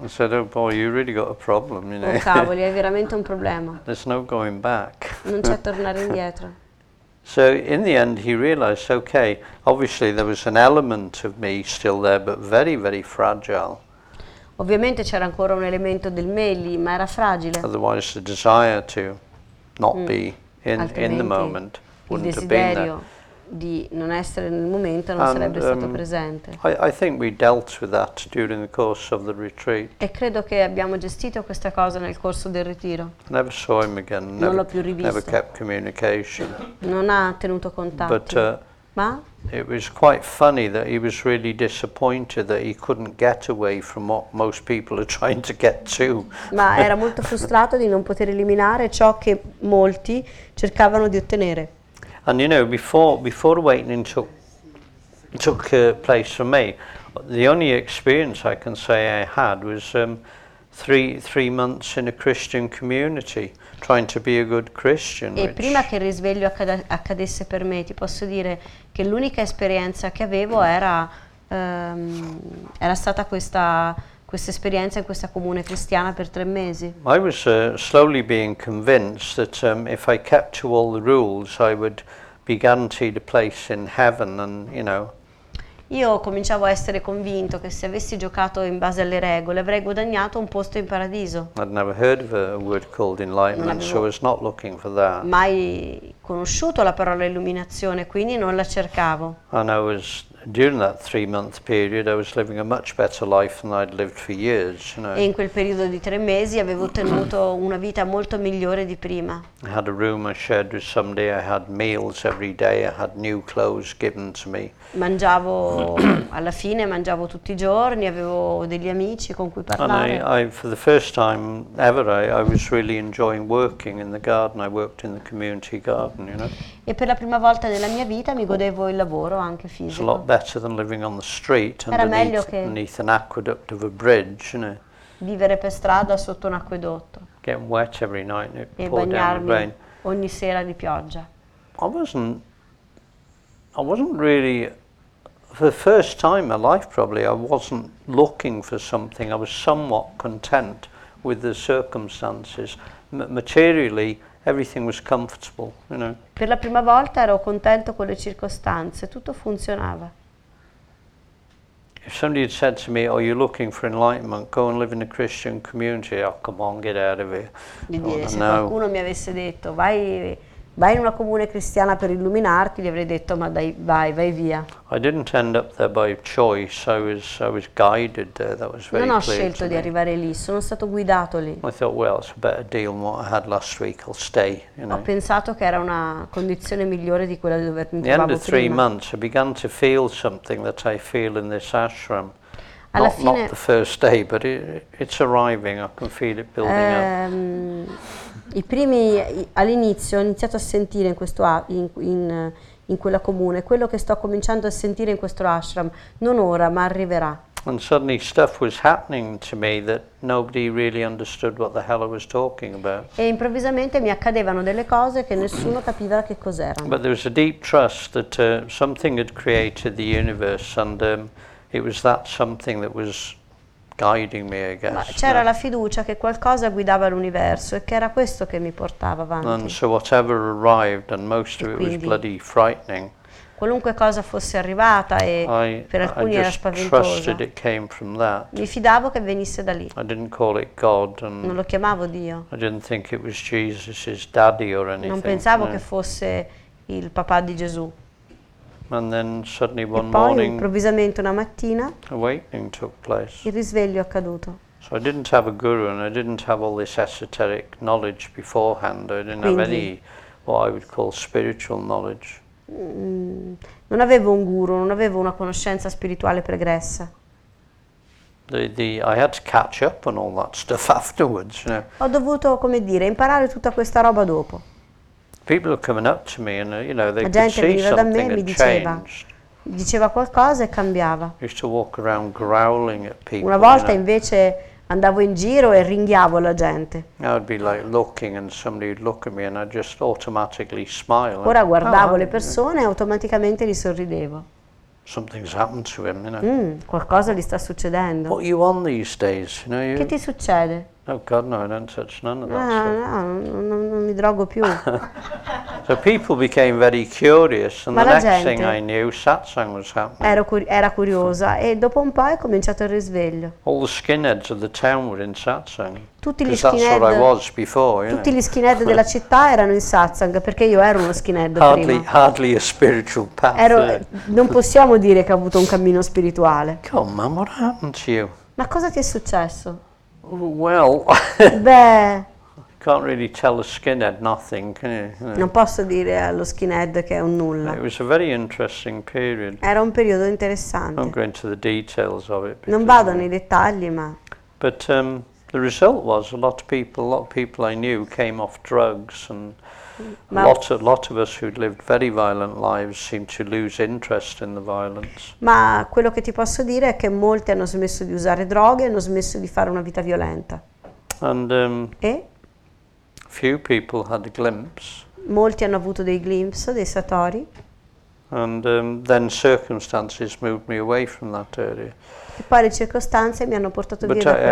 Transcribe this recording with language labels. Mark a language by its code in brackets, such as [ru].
[en] I said, oh boy, you really got a problem, you know. [it] Oh cavoli, hai veramente un problema. [en] There's no going back. [it] Non c'è tornare indietro. [en] So in the end he realized, okay, obviously there was an element of me still there, but very, very fragile. [it] Ovviamente c'era ancora un elemento del me lì, ma era fragile. [en] Otherwise the desire to not be in the moment wouldn't have been there. [it] Il desiderio di non essere nel momento non sarebbe stato presente. [en] I think we dealt with that during the course of the retreat. [it] E credo che abbiamo gestito questa cosa nel corso del ritiro. [en] Never saw him again. [it] Non l'ho più rivisto. [en] Never kept communication. [it] Non ha tenuto contatti. [en] But it was quite funny that he was really disappointed that he couldn't get away from what most people are trying to get to. [it] Ma era molto frustrato di non poter eliminare ciò che molti cercavano di ottenere. [en] And you know, before awakening took place for me, the only experience I can say I had was three months in a Christian community. Trying to be a good Christian. [it] E prima che il risveglio accadesse per me, ti posso dire che l'unica esperienza che avevo era stata questa esperienza in questa comune cristiana per 3 mesi. [en] I was slowly being convinced that if I kept to all the rules, I would be guaranteed a place in heaven, and you know. [it] Io cominciavo a essere convinto che se avessi giocato in base alle regole avrei guadagnato un posto in paradiso. [en] I'd never heard of a word called enlightenment, so I was not looking for that. [it] Mai conosciuto la parola illuminazione, quindi non la cercavo. [en] And I was, during that 3 month period, I was living a much better life than I'd lived for years, you know. [it] E in quel periodo di 3 mesi avevo ottenuto una vita molto migliore di prima. [en] I had a room I shared with somebody, I had meals every day, I had new clothes given to me. [it] Mangiavo, alla fine mangiavo tutti i giorni, avevo degli amici con cui parlare. [en] And I for the first time ever, I was really enjoying working in the garden, I worked in the community garden, you know. [it] E per la prima volta nella mia vita mi godevo il lavoro anche fisico. [en] It's a lot better than living on the street underneath an aqueduct of a bridge, you know. [it] Vivere per strada sotto un acquedotto. [en] Getting wet every night and it poured down the rain. [it] E bagnarmi ogni sera di pioggia. [en] I wasn't really, for the first time in my life probably, I wasn't looking for something. I was somewhat content with the circumstances. Materially, everything was comfortable, you know. [it] Per la prima volta ero contento con le circostanze, tutto funzionava. [en] If somebody had said to me, oh, you're looking for enlightenment, go and live in a Christian community, oh, come on, get out of here. [it] Se qualcuno mi avesse detto, vai vai in una comune cristiana per illuminarti, gli avrei detto ma dai, vai, vai via. [en] I didn't end up there by choice. I was guided there. That was very [it] clear. Non ho scelto di arrivare lì, sono stato guidato lì. [en] I thought, well, it's a better deal than what I had last week. I'll stay. You know. [it] Ho pensato che era una condizione migliore di quella dove mi trovavo prima. [en] At the end of 3 months, I began to feel something that I feel in this ashram. Not the first day, but it's arriving. I can feel it building up. [it] All'inizio ho iniziato a sentire in questo in quella comune quello che sto cominciando a sentire in questo ashram. Non ora, ma arriverà. [en] And suddenly stuff was happening to me that nobody really understood what the hell I was talking about. [it] E improvvisamente mi accadevano delle cose che nessuno capiva che cos'erano. [en] But there was a deep trust that something had created the universe and. It was that something that was guiding me, I guess. [it] Ma c'era la fiducia che qualcosa guidava l'universo e che era questo che mi portava avanti. [en] And so whatever arrived, and most of it was bloody frightening. [it] Qualunque cosa fosse arrivata e per alcuni era spaventosa. Mi fidavo che venisse da lì. [en] I didn't call it God and [it] non lo chiamavo Dio. [en] I didn't think it was Jesus's daddy or anything. [it] Non pensavo che fosse il papà di Gesù. [en] And then suddenly one [it] e poi, [en] morning, [it] improvvisamente una mattina, [en] awakening took place. [it] Il risveglio è accaduto. [en] So I didn't have a guru and I didn't have all this esoteric knowledge beforehand. I didn't have any what I would call spiritual knowledge. [it] Non avevo un guru, non avevo una conoscenza spirituale pregressa. [en] I had to catch up on all that stuff afterwards. You know. [it] Ho dovuto, come dire, imparare tutta questa roba dopo. [en] People are coming up to me and you know they could see something had changed. [it] Diceva qualcosa e cambiava. [en] I used to walk around growling at people. [it] Una volta invece andavo in giro e ringhiavo la gente. [en] I would be like looking and somebody would look at me and I just automatically smile. [it] Ora guardavo le persone e automaticamente li sorridevo. [en] Something's happened to him, you know. [it] Qualcosa gli sta succedendo. [en] What are you on these days, you know? [it] Che ti succede? [en] Oh God, no, I don't touch none of that stuff. [it] No, non mi drogo più. [en] So people became very curious, and [it] ma [en] the next thing I knew, satsang was happening. [it] Era curiosa, e dopo un po' è cominciato il risveglio. [en] All the skinheads of the town were in satsang. [it] Tutti gli skinhead. [en] That's what I was before, you [it] tutti [en] know. [it] Gli skinhead della città erano in satsang perché io ero uno skinhead prima. [en] Hardly a spiritual path. [it] Non possiamo dire che ho avuto un cammino spirituale. [en] Come, man, what happened to you? [it] Ma cosa ti è successo? [en] Well, [it] beh, [en] can't really tell a skinhead nothing, can you? [it] Non posso dire allo skinhead che è un nulla. [en] It was a very interesting period. [it] Era un periodo interessante. [en] I'm going to the details of it. [it] Non vado nei dettagli, ma. [en] But the result was a lot of people I knew came off drugs and. Ma a lot of us who'd lived very violent lives seemed to lose interest in the violence. [it] Ma quello che ti posso dire è che molti hanno smesso di usare droghe e hanno smesso di fare una vita violenta. [en] And few people had a glimpse. [it] Molti hanno avuto dei glimpse, dei satori. [en] And then circumstances moved me away from that area. [it] E poi le circostanze mi hanno portato via da quell'area.